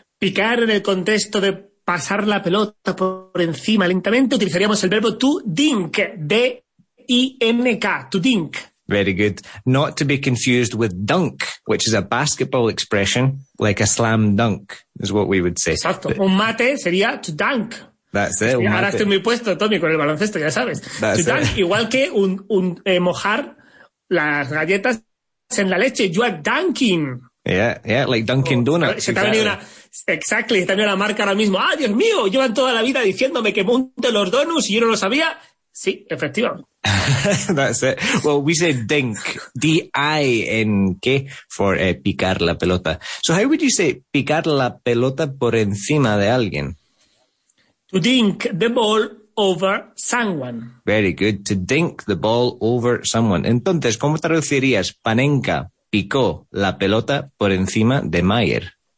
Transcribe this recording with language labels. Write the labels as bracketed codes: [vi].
[es] Picar en el contexto de pasar la pelota por encima lentamente, utilizaríamos el verbo to dink, D-I-N-K, to dink. [en] Very good. Not to be confused with dunk, which is a basketball expression, like a slam dunk, is what we would say. [es] Exacto. But un mate sería to dunk. [en] That's it. [es] Ahora mate. Estoy muy puesto, Tommy, con el baloncesto, ya sabes. [en] That's to it. [es] Dunk, igual que un mojar las galletas en la leche. [en] You are dunking. Yeah, like Dunkin' Donuts. [es] Exactly, está en la marca ahora mismo. ¡Ah, Dios mío! Llevan toda la vida diciéndome que monte los donuts y yo no lo sabía. Sí, efectivamente. [en] That's it. Well, we say dink, D-I-N-K, for [es] picar la pelota. [en] So how would you say [es] picar la pelota por encima de alguien? [en] To dink the ball over someone. Very good, to dink the ball over someone. [es] Entonces, ¿cómo traducirías Panenka picó la pelota por encima de Maier?